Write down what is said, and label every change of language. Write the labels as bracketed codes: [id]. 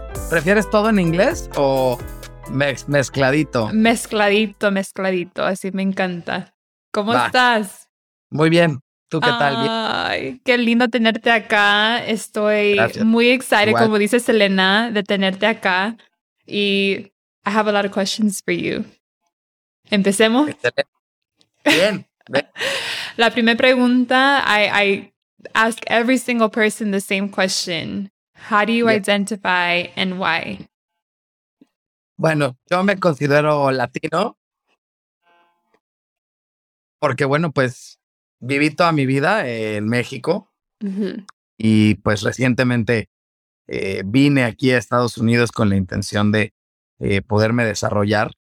[es] ¿Prefieres todo en inglés o mezcladito? Mezcladito, mezcladito. Así me encanta. ¿Cómo estás? Muy bien. ¿Tú qué tal? Ay, qué lindo tenerte acá. Estoy muy excited, igual, como dice Selena, de tenerte acá. [en] Y I have a lot of questions for you. [es] ¿Empecemos? Bien. La primera pregunta, [en] I ask every single person the same question. How do you identify and why? [es] Bueno, yo me considero latino porque, bueno, pues viví toda mi vida en México. Uh-huh. Y pues recientemente vine aquí a Estados Unidos con la intención de poderme desarrollar.